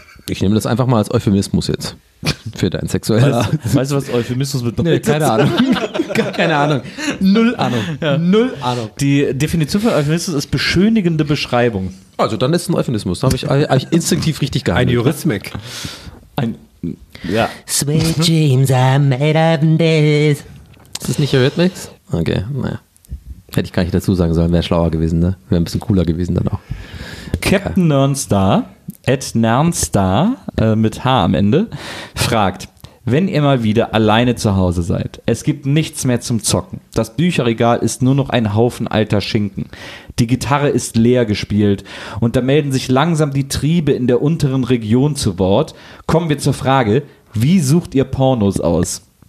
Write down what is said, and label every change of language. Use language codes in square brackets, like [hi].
[de] Ich nehme das einfach mal als Euphemismus jetzt. Für dein sexuelles. Weißt du, was Euphemismus bedeutet? Nee, keine Ahnung. Keine Ahnung. Null Ahnung. Ja. Null Ahnung. Die Definition von Euphemismus ist beschönigende Beschreibung. Also dann ist es ein Euphemismus. Da habe ich eigentlich instinktiv richtig gehandelt. Ein Eurythmic. Ein, ja. [en] Sweet dreams are made of this. [de] Ist das nicht Eurythmics? Okay, naja. Hätte ich gar nicht dazu sagen sollen. Wäre schlauer gewesen, ne? Wäre ein bisschen cooler gewesen dann auch. Captain Nernstar. @Nernstar mit H am Ende, fragt, wenn ihr mal wieder alleine zu Hause seid, es gibt nichts mehr zum Zocken, das Bücherregal ist nur noch ein Haufen alter Schinken, die Gitarre ist leer gespielt und da melden sich langsam die Triebe in der unteren Region zu Wort, kommen wir zur Frage, wie sucht ihr Pornos aus?